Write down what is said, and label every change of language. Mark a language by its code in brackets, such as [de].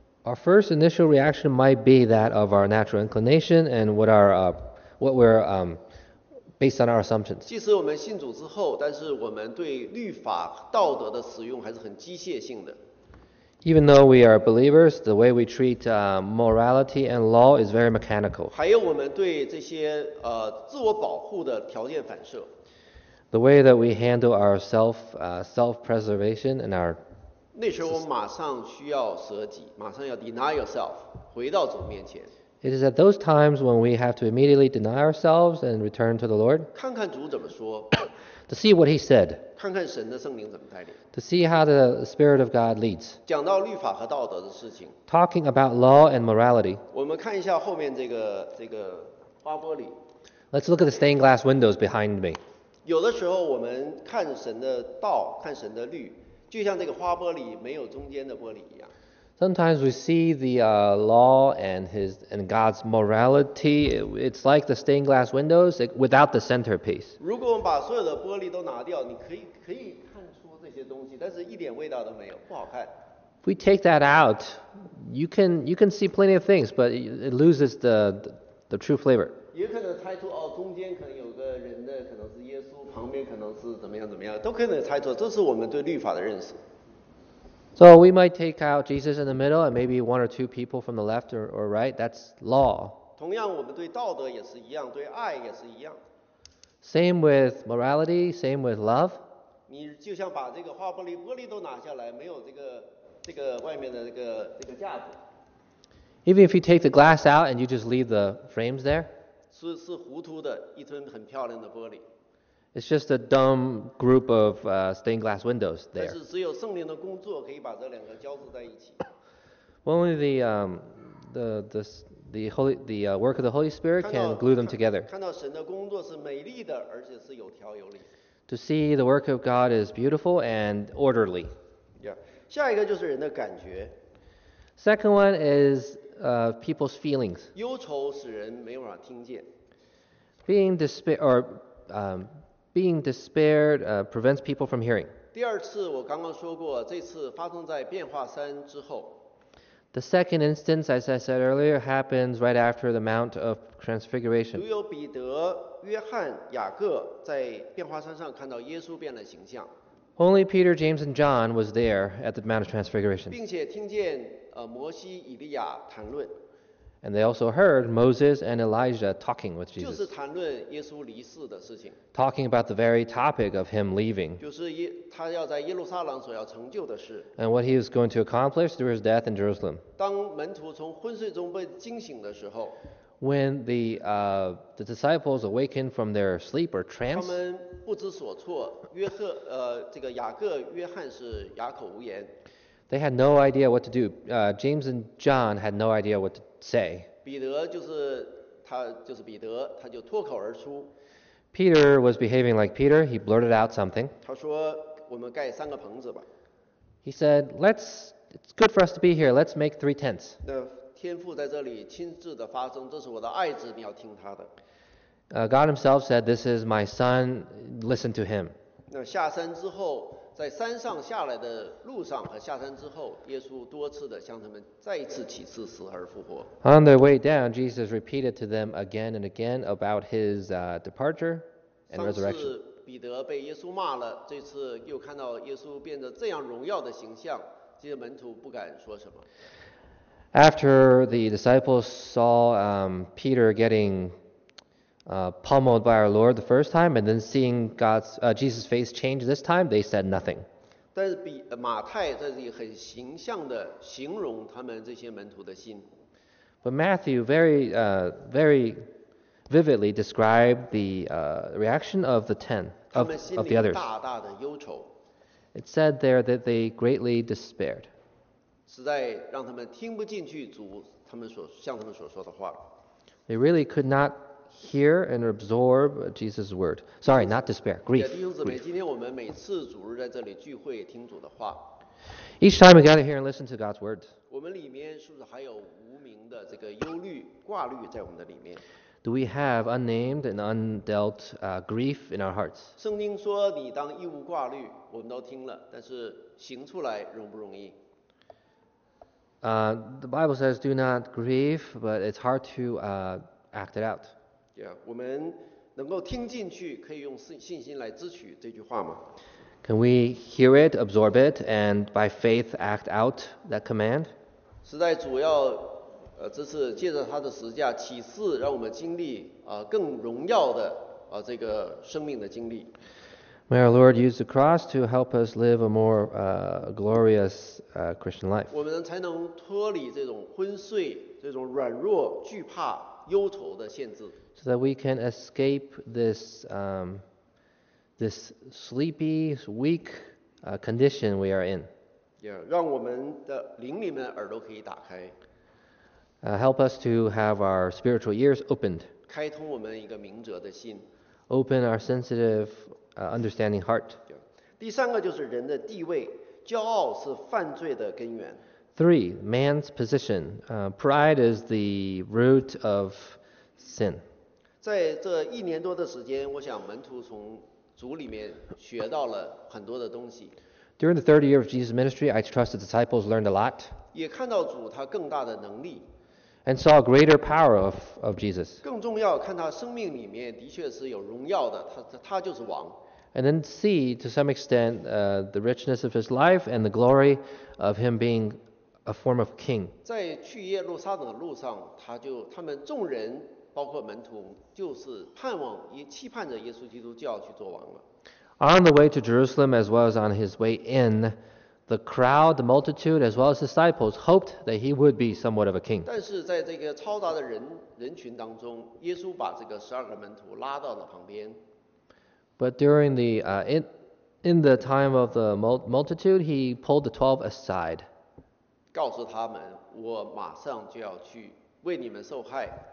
[en] Our first initial reaction might be that of our natural inclination and what we're based on our assumptions. [zh] 即使我们信主之后，但是我们对律法、道德的使用还是很机械性的。 [en] Even though we are believers, the way we treat morality and law is very mechanical. [zh] 还有我们对这些自我保护的条件反射。 [en] The way that we handle our self-preservation and our [zh] 那时候我们马上需要舍己，马上要 [en] deny yourself， [zh] 回到主面前。 [en] It is at those times when we have to immediately deny ourselves and return to the Lord. [zh] 看看主怎么说。 [en] To see what he said. [zh] 看看神的圣灵怎么带领。 [en] To see how the Spirit of God leads. [zh] 讲到律法和道德的事情。 [en] Talking about law and morality. [zh] 我们看一下后面这个花玻璃。 [en] Let's look at the stained glass windows behind me. [zh] 有的时候我们看神的道，看神的律，就像这个花玻璃没有中间的玻璃一样。 [en] Sometimes we see the law and God's morality. It's like the stained glass windows without the centerpiece. [zh] 如果我们把所有的玻璃都拿掉，你可以看出这些东西，但是一点味道都没有，不好看。 [en] If we take that out, you can see plenty of things, but it loses the true flavor. [zh] 也可能猜出中间可能有个人的，可能是耶稣，旁边可能是怎么样，都可能猜出。这是我们对律法的认识。 [en] So we might take out Jesus in the middle and maybe one or two people from the left or right. That's law. [zh] 同样我们对道德也是一样，对爱也是一样。 [en] Same with morality, same with love. [zh] 你就像把这个花玻璃都拿下来，没有这个外面的这个架子。 [en] Even if you take the glass out and you just leave the frames there. [zh] 是糊涂的，一尊很漂亮的玻璃。 [en] It's just a dumb group of stained glass windows there. [zh] 但是只有圣灵的工作可以把这两个交织在一起。 [en] Only the work of the Holy Spirit can glue them together. [zh] 看到神的工作是美丽的，而且是有条有理。 [en] To see the work of God is beautiful and orderly. [zh] Yeah. 下一个就是人的感觉。 [en] Second one is people's feelings. [zh] 忧愁使人没法听见。 [en] Being despaired prevents people from hearing. [zh] 第二次我刚刚说过，这次发生在变化山之后。 [en] The second instance, as I said earlier, happens right after the Mount of Transfiguration. [zh] 有彼得、约翰、雅各在变化山上看到耶稣变了形象。 [en] Only Peter, James, and John was there at the Mount of Transfiguration. [zh] 并且听见摩西、以利亚谈论。 [en] And they also heard Moses and Elijah talking with Jesus. [zh] 就是谈论耶稣离世的事情。 [en] Talking about the very topic of him leaving. [zh] 就是他要在耶路撒冷所要成就的事。 [en] And what he was going to accomplish through his death in Jerusalem. [zh] 当门徒从昏睡中被惊醒的时候。 [en] When the disciples awakened from their sleep or trance. [zh] 他们不知所措，约赫这个雅各、约翰是哑口无言。 [en] They had no idea what to do. James and John had no idea what to say. [zh] 彼得就是他，就是彼得，他就脱口而出。 [en] Peter was behaving like Peter. He blurted out something. [zh] 他说：“我们盖三个棚子吧。” [en] He said, "Let's. It's good for us to be here. Let's make three tents." [zh] 那天父在这里亲自的发声，这是我的爱子，你要听他的。 [en] God Himself said, "This is my son. Listen to him." [zh] 那下山之后。在山上下来的路上和下山之后，耶稣多次的向他们再一次启示死而复活。 [en] On their way down, Jesus repeated to them again and again about his departure and resurrection. [zh] 上次彼得被耶稣骂了，这次又看到耶稣变得这样荣耀的形象，这些门徒不敢说什么。 [en] After the disciples saw Peter getting pummeled by our Lord the first time, and then seeing Jesus' face change this time, they said nothing. [zh] 但是马太在这里很形象地形容他们这些门徒的心。 [en] But Matthew very vividly described the reaction of the ten of the others. [zh] 他们心里大大的忧愁。 [en] It said there that they greatly despaired. [zh] 实在让他们听不进去主他们所向他们所说的话。 [en] They really could not. Hear and absorb Jesus' word. Sorry, not despair, grief. [zh] 弟兄姊妹，今天我们每次主日在这里聚会，听主的话。 [en] Each time we gather here and listen to God's word. [zh] 我们里面是不是还有无名的这个忧虑、挂虑在我们的里面 [en] ？Do we have unnamed and undealt grief in our hearts? [zh] 圣经说，你当一无挂虑，我们都听了，但是行出来容不容易？ [en] The Bible says, "Do not grieve," but it's hard to act it out. [zh] Yeah, 我们能够听进去，可以用信心来支取这句话吗 [en] ？Can we hear it, absorb it, and by faith act out that command? [zh] 实在主要，这次借着他的十字架启示，让我们经历更荣耀的这个生命的经历。 [en] May our Lord use the cross to help us live a more glorious Christian life. [zh] 我们才能脱离这种昏睡、这种软弱、惧怕、忧愁的限制。 [en] So that we can escape this, this sleepy, weak condition we are in. [zh] Yeah, 让我们的灵里面的耳朵可以打开。 [en] Help us to have our spiritual ears opened. [zh] 开通我们一个明哲的心。 [en] Open our sensitive, understanding heart. Yeah. [zh] 第三个就是人的地位，骄傲是犯罪的根源。 [en] Three, man's position. Pride is the root of sin. [zh] 在这一年多的时间，我想门徒从主里面学到了很多的东西。 [en] During the 30 year of Jesus' ministry, I trust the disciples learned a lot. [zh] 也看到主他更大的能力。 [en] And saw a greater power of Jesus. [zh] 更重要，看他生命里面的确是有荣耀的，他就是王。 [en] And then see, to some extent, the richness of his life and the glory of him being a form of king. [zh] 在去耶路撒冷的路上，他们众人。包括门徒，就是盼望也期盼着耶稣基督就要去做王了。 [en] On the way to Jerusalem, as well as on his way in, the crowd, the multitude, as well as disciples, hoped that he would be somewhat of a king. [zh] 但是在这个超大的人群当中，耶稣把这个十二个门徒拉到了旁边。 [en] But during the in the time of the multitude, he pulled the 12 aside. [zh] 告诉他们，我马上就要去为你们受害。